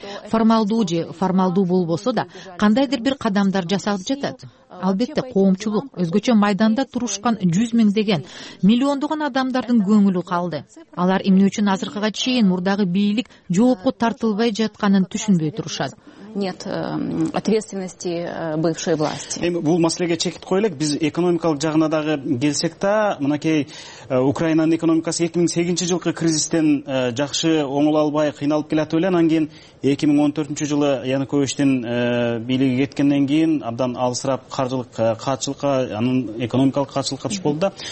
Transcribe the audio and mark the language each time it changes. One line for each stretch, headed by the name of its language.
Kyrgyz: Формалдуу же формалдуу болбосо да, кандайдыр бир кадамдар жасалып жатат. Албетте, коомчулук, өзгөчө майданда турушкан 100 миңдеген, миллиондогон адамдардын көңүлү калды. Алар эмне үчүн азыркыга чейин мурдагы бийлик жоопко тартылбай жатканын түшүнбөй турушат.
Russian: Нет ответственности бывшей власти.
Kyrgyz: Эми бул маселеге чекит кое элек, биз экономикалык жагына дагы келсек да, мынакей Украинанын экономикасы 2008-жылкы кризистен жакшы оңоло албай кыйналып келатып эле, анан кийин 2014-жылы Януковичтин бийлиги кеткенден кийин абдан алысырап каржылык каатчылыкка, анын экономикалык каатчылыкка туш болду да.